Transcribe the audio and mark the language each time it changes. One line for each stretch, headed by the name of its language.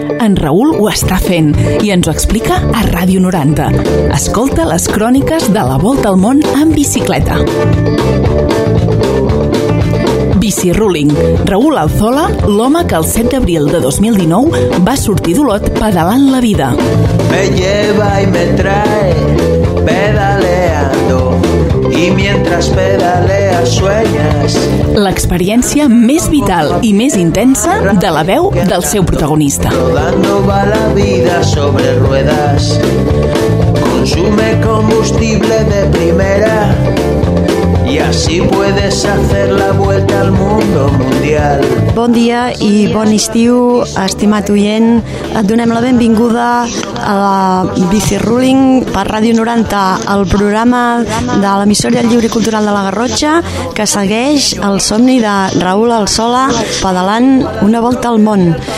Catalan: En Raül ho està fent i ens ho explica a Ràdio 90. Escolta les cròniques de la Volta al Món en bicicleta. Bici Ruling. Raül Alzola, l'home que el 7 d'abril de 2019 va sortir d'Olot pedalant la vida.
Spanish: Me lleva y me trae pedaleando y mientras pedalea sueñas.
Catalan: L'experiència més vital i més intensa de la veu del seu protagonista.
Spanish: Rodando va la vida sobre ruedas, consume combustible de primera. Y así puedes hacer la vuelta al mundo mundial.
Catalan: Bon dia i bon estiu, estimat oient. Et donem la benvinguda a la Bici Ruling per Ràdio 90, el programa de l'emissora lliure cultural de la Garrotxa, que segueix el somni de Raül Alzola pedalant una volta al món.